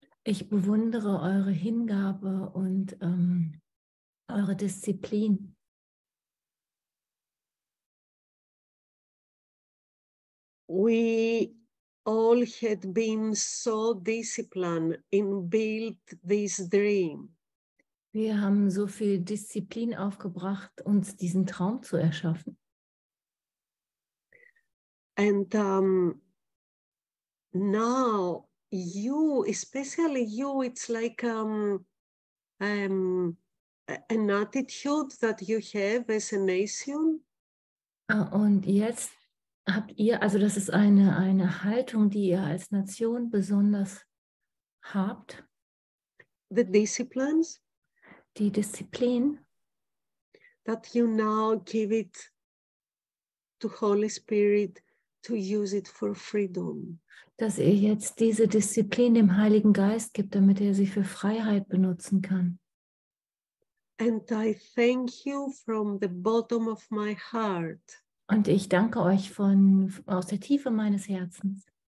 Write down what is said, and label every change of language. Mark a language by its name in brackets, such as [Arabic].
[German] Ich bewundere eure Hingabe und eure Disziplin. [English] We all had been so disciplined in build this dream. [German] Wir haben so viel Disziplin aufgebracht, uns diesen Traum zu erschaffen. [English] And now you, especially you, it's like an attitude that you have as a nation. [German] Und jetzt habt ihr, also das ist eine Haltung, die ihr als Nation besonders habt. [English] The disciplines. [German] Die Disziplin. [English] That you now give it to Holy Spirit to use it for freedom. [German] Dass ihr jetzt diese Disziplin dem Heiligen Geist gibt, damit er sie für Freiheit benutzen kann. [English] And I thank you from the bottom of my heart. [German] Und ich danke euch aus der Tiefe meines Herzens.